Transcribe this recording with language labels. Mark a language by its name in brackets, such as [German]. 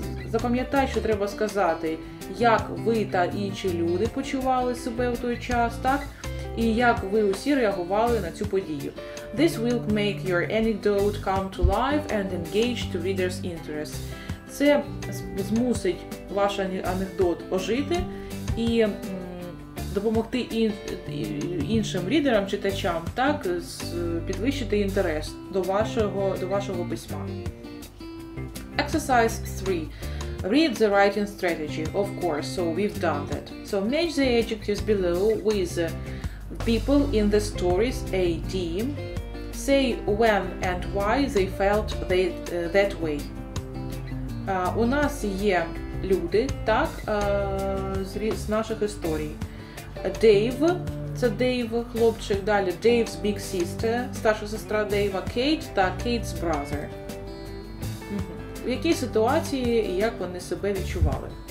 [Ukrainian] Запам'ятай, що треба сказати, як ви та інші люди почували себе в той час, так? І як ви усі реагували на цю подію. [English] This will make your anecdote come to life and engage the reader's interest. [Ukrainian] Це змусить ваш анекдот ожити і допомогти іншим рідерам, читачам, так, підвищити інтерес до вашого письма. [English] Exercise 3. Read the writing strategy, of course, so we've done that. So match the adjectives below with people in the stories, a team, say when and why they felt that way. [Ukrainian] У нас є люди, так, з наших історій. Дейв, це Дейв, хлопчик, далі Дейвс [English] big sister, [Ukrainian] старша сестра Дейва, Кейт та Кейтс brother. В якій ситуації і як вони себе відчували.